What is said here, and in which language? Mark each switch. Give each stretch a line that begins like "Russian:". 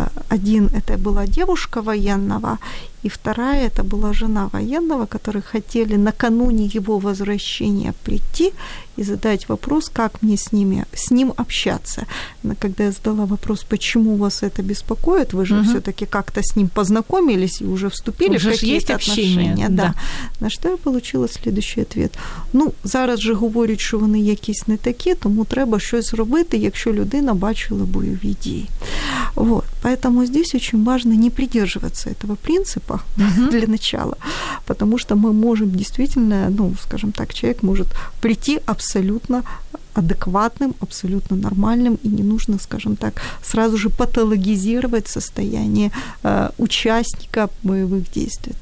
Russian: Один, это была девушка военного, и вторая, это была жена военного, которые хотели накануне его возвращения прийти и задать вопрос, как мне с ним общаться. Когда я задала вопрос, почему вас это беспокоит, вы же все-таки как-то с ним познакомились и уже вступили уже в какие-то есть общение, отношения. Да. На что я получила следующий ответ.
Ukrainian: Ну, зараз же
Russian: говорят, что они
Ukrainian: якісь
Russian: не такие,
Ukrainian: тому треба щось робити, якщо людина бачила бойові дії.
Russian: Вот. Поэтому здесь очень важно не придерживаться этого принципа для начала, потому что мы можем действительно, ну, скажем так, человек может прийти абсолютно адекватным, абсолютно нормальным, и не нужно, скажем так, сразу же патологизировать состояние участника боевых действий.